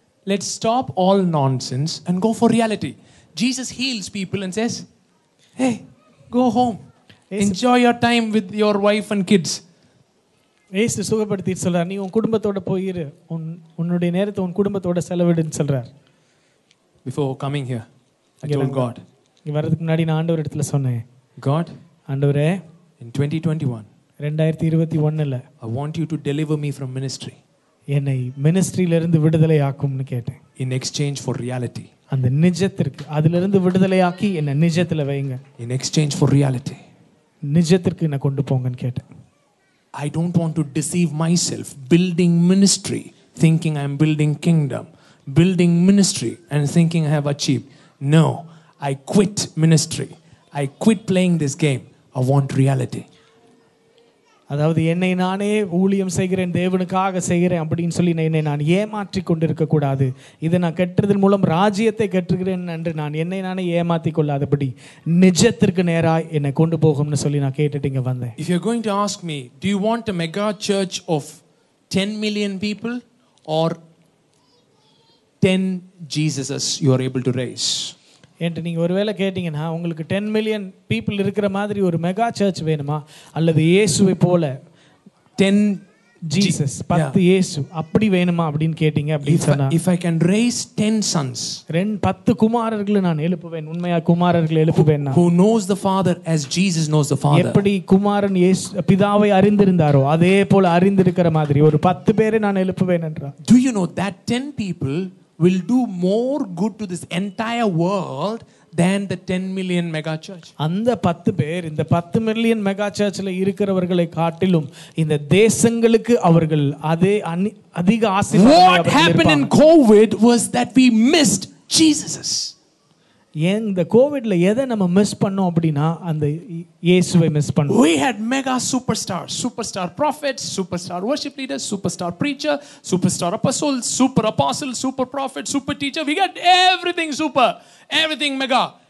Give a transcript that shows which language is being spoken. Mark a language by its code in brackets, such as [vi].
[en] Let's stop all nonsense and go for reality. Jesus heals people and says, hey go home, enjoy your time with your wife and kids. [ta] ஏசு சுகப்படுத்திட்டு சொல்றார், நீ உன் குடும்பத்தோட போயிரு, உன்னுடைய நேரத்தை உன் குடும்பத்தோட செலவிடுன்னு சொல்றார். [en] before coming here I told God, [ta] இங்கே வரதுக்கு முன்னாடி நான் ஆண்டவர் இடத்துல சொன்னேன், [en] God, [ta] ஆண்டவரே, [en] in 2021, [ta] 2021, [en] I want you to deliver me from ministry. [ta] என்னை மினிஸ்ட்ரியிலிருந்து விடுதலை ஆக்கும்னு கேட்டேன். [en] In exchange for reality. [ta] அந்த நிஜத்திற்கு, அதிலிருந்து விடுதலை ஆக்கி என்னை நிஜத்தில் வைங்க. [en] In exchange for reality. [ta] நிஜத்திற்கு என்னை கொண்டு போங்கன்னு கேட்டேன். [en] I don't want to deceive myself building ministry thinking I am building kingdom, building ministry and thinking I have achieved. No. I quit ministry. I quit playing this game. I want reality. [ta] அதாவது என்னை நானே ஊழியம் செய்கிறேன், தேவனுக்காக செய்கிறேன் அப்படின்னு சொல்லி என்னை நான் ஏமாற்றி கொண்டிருக்க கூடாது. இதை நான் கட்டுறதன் மூலம் ராஜ்யத்தை கட்டுகிறேன் என்று நான் என்னை நானே ஏமாத்தி கொள்ளாதபடி நிஜத்திற்கு நேராக என்னை கொண்டு போகும்னு சொல்லி நான் கேட்டுட்டு இங்கே வந்தேன். [en] If you're going to ask me, do you want a mega church of 10 million people or 10 Jesuses you are able to raise? [ta] என்று நீங்கள் ஒருவேளை கேட்டீங்கன்னா, உங்களுக்கு 10 மில்லியன் பீப்புள் இருக்கிற மாதிரி ஒரு மெகா சர்ச் வேணுமா, அல்லது இயேசுவை போல 10 ஜீசஸ், 10 இயேசு அப்படி வேணுமா அப்படின்னு கேட்டீங்க அப்படின்னு சொன்னா, [en] if I can raise 10 sons, [ta] 10 குமாரர்களை நான் எழுப்புவேன், உண்மையா குமாரர்களை எழுப்புவேன், [en] who knows the father as Jesus knows the father, [ta] எப்படி குமாரன் இயேசு பிதாவை அறிந்திருந்தாரோ அதே போல அறிந்திருக்கிற மாதிரி ஒரு 10 பேரை நான் எழுப்புவேன் என்றார். [en] Do you know that 10 people will do more good to this entire world than the 10 million mega church. [ta] அந்த 10 பேர் இந்த 10 million mega churchல இருக்கிறவர்களை காட்டிலும் இந்த தேசங்களுக்கு அவர்கள் அதே அதிக ஆசீர்வாதமாக இருப்பார். [en] What happened in COVID was that we missed Jesus. [ta] ஏன் இந்த கோவிட்ல எதை நம்ம மிஸ் பண்ணோம் அப்படினா, அந்த இயேசுவை மிஸ் பண்ணோம். [en] We had mega superstars, superstar prophets, superstar worship leaders, superstar preacher, superstar apostle, super apostle, super prophet, super teacher. We got everything super, everything mega.